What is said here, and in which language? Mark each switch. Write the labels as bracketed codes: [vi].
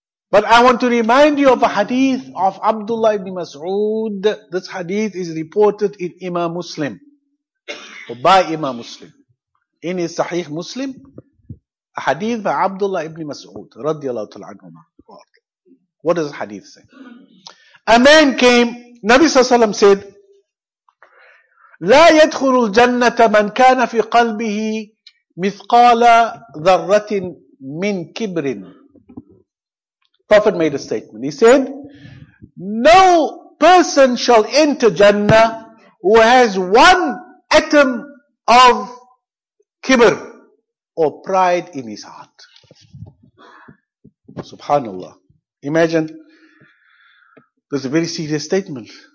[en] But I want to remind you of a hadith of Abdullah ibn Mas'ud. This hadith is reported in Imam Muslim, or by Imam Muslim, in his Sahih Muslim. A hadith by Abdullah ibn Mas'ud, radiallahu ta'ala anhumah. What does the hadith say? A man came, Nabi sallallahu alayhi wa said, [ar] لَا يَدْخُلُ الْجَنَّةَ مَنْ كَانَ فِي قَلْبِهِ مِثْقَالَ ذَرَّةٍ مِنْ كِبْرٍ. [en] Prophet made a statement. He said, no person shall enter Jannah who has one atom of kibr or pride in his heart. Subhanallah. Imagine, there's a very serious statement.